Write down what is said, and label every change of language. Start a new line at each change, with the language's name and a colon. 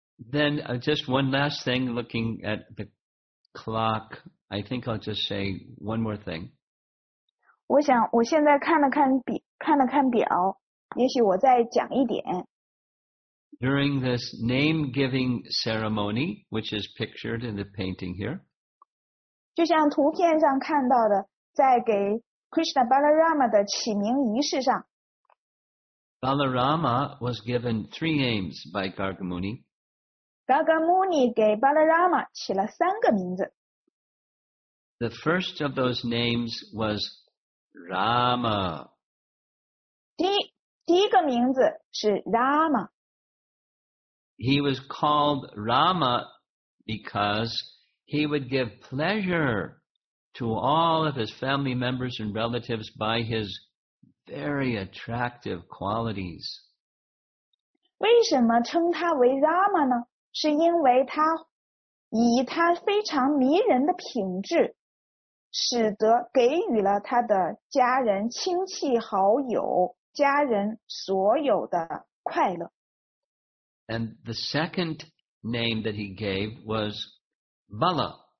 English: Then just one last thing, looking at the clock, I think I'll just say one more thing.
Chinese: 我想我现在看了看表，也许我再讲一点。
English: During this name-giving ceremony, which is pictured in the painting here,
Chinese: 就像图片上看到的，在给 Krishna Balarama 的起名仪式上，
English: Balarama was given 3 names by Gargamuni.
Chinese: Gargamuni 给 Balarama 起了三个名字。
English: The first of those names was Rama.
Chinese: 第一个名字是Rama.
English: He was called Rama because he would give pleasure to all of his family members and relatives by his very attractive qualities.
Chinese: 为什么称他为Rama呢? 是因为他以他非常迷人的品质 使得给予了他的家人、亲戚、好友、家人所有的快乐。
English: And the second name that he gave was Bala.